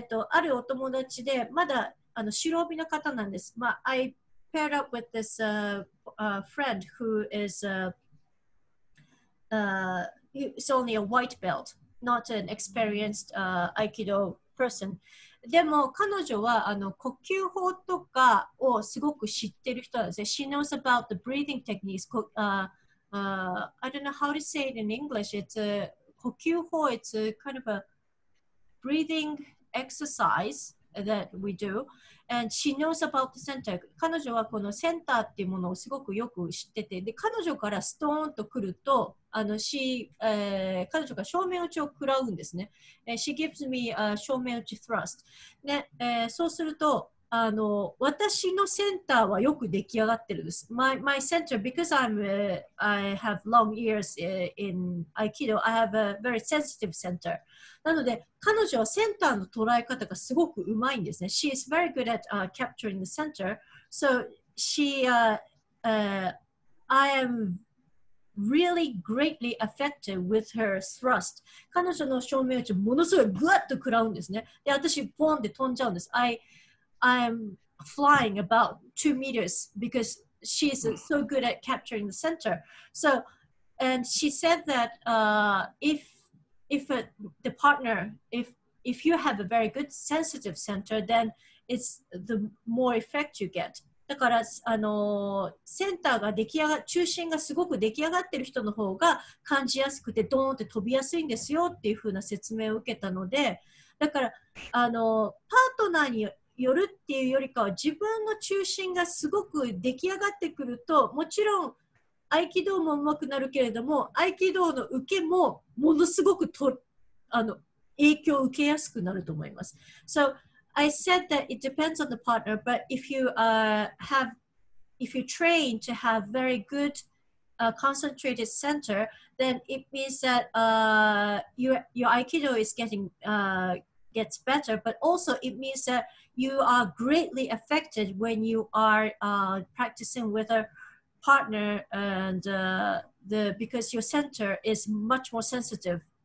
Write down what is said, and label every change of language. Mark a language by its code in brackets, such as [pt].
[ja] あるお友達で、まだ白帯の方なんです。まあ、 [en] I paired up with this friend who is it's only a white belt, not an experienced Aikido person. [ja] でも彼女は呼吸法とかをすごく知ってる人なんですね。 [en] She knows about the breathing techniques. I don't know how to say it in English. It's a 呼吸法、it's a kind of a breathing exercise that we do. And she knows about the center. [ja] 彼女はこのセンターっていうものをすごくよく知ってて、で彼女からストーンと来ると、彼女が正面打ちを食らうんですね。 [en] She gives me a 正面打ち thrust.、 [ja] ね、そうすると、私のセンターはよく出来上がってるんです。 [en] My center, because I have long years in Aikido, I have a very sensitive center. [ja] なので、彼女はセンターの捉え方がすごくうまいんですね。 [en] She is very good at capturing the center. So, I am really greatly affected with her thrust. [ja] 彼女の正面打ちをものすごいグワッと食らうんですね。で、私、ポンって飛んじゃうんです。 [en] I'm flying about 2 meters because she's so good at capturing the center. So, and she said that if you have a very good sensitive center, then it's the more effect you get. [ja] だから、センターが出来上が、中心がすごく出来上がってる人の方が感じやすくてドーンって飛びやすいんですよっていう風な説明を受けたので、だから、パートナーによるっていうよりかは自分の中心がすごく出来上がってくると、もちろん合気道も上手くなるけれども、合気道の受けもものすごくと影響を受けやすくなると思います。 [en] So I said that it depends on the partner, but if you train to have very good concentrated center, then it means that your Aikido is getting gets better, but also it means that you are greatly affected when you are practicing with a partner and because your center is much more sensitive.